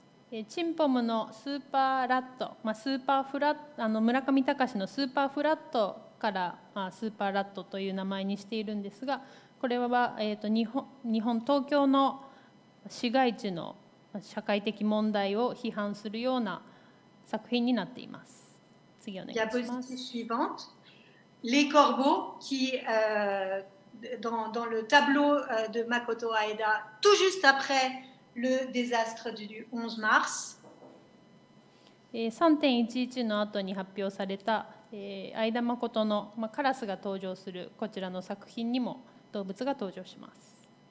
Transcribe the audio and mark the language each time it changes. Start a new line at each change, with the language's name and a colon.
Japanese: Chimpom のスーパーラット、まあスーパーフラット、あの村上隆のスーパーフラットから、まあ、スーパーラットという名前にしているんですが、これは日本東京の市街地の社会的問題を批判するような作品になっています。次お願いします。
French: Diapositive suivante. Les corbeaux qui, dans le tableau de Makoto Aeda, tout juste après le désastre du 11 mars.
Japanese: 3.11 の後に発表された、アイダ・マコトの、まあ、カラスが登場するこちらの作品にも動物が登場します。